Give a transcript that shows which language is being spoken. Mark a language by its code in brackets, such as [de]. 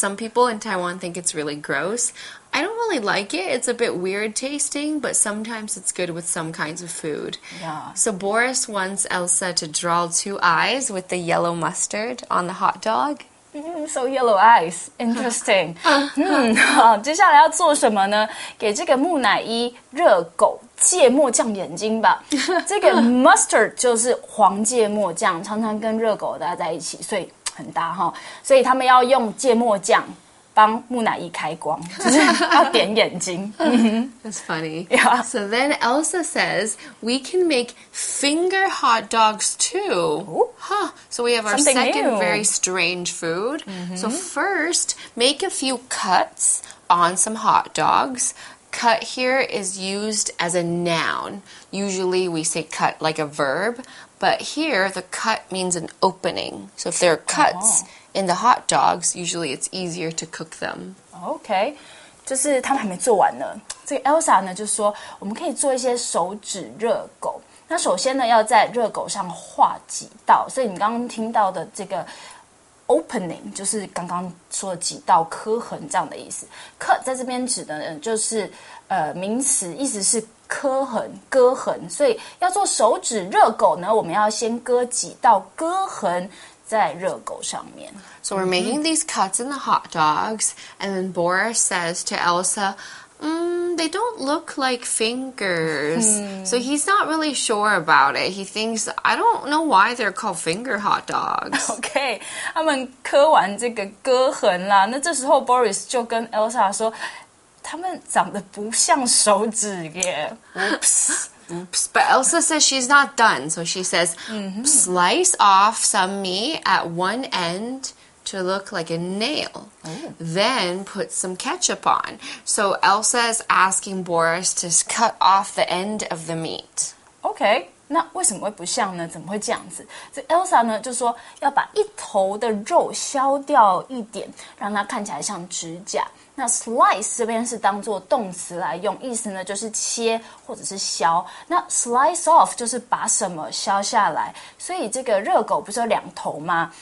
[en] Some people in Taiwan think it's really gross. I don't really like it. It's a bit weird tasting, but sometimes it's good with some kinds of food. Yeah. So Boris wants Elsa to draw two eyes with the yellow mustard on the hot dog. So yellow eyes, interesting. [zh] 好，接下来要做什么呢？给这个木乃伊热狗芥末酱眼睛吧。这个 mustard 就是黄芥末酱，常常跟热狗搭在一起，所以很搭哈。所以他们要用芥末酱帮木乃伊开光，就是要点眼睛。 [en] That's funny. Yeah. So then Elsa says we can make finger hot dogs too. Huh. So we have our second very strange food. So first, make a few cuts on some hot dogs. Cut here is used as a noun. Usually we say cut like a verb, but here the cut means an opening. So if there are cuts. In the hot dogs, usually it's easier to cook them. [zh] Okay, 就是他们还没做完呢。这个 Elsa 呢就说，我们可以做一些手指热狗。那首先呢，要在热狗上画几道。所以你刚刚听到的这个 opening 就是刚刚说的几道刻痕这样的意思。 Cut 在这边指的呢就是名词，意思是刻痕、割痕。所以要做手指热狗呢，我们要先割几道割痕。在热狗上面。 [en] So we're making these cuts in the hot dogs, and then Boris says to Elsa, they don't look like fingers. So he's not really sure about it. He thinks, I don't know why they're called finger hot dogs. [zh] Okay, 他们磕完这个割痕啦，那这时候 Boris 就跟 Elsa 说，他们长得不像手指耶。Oops, [en] but Elsa says she's not done. So she says, slice off some meat at one end to look like a nail. Then put some ketchup on. So Elsa is asking Boris to cut off the end of the meat. [zh] Okay, 那为什么会不像呢？怎么会这样子？这 Elsa 呢就说要把一头的肉削掉一点，让它看起来像指甲。那 slice 这边是当作动词来用，意思呢就是切或者是削。那 slice off 就是把什么削下来，所以这个热狗不是有两头吗？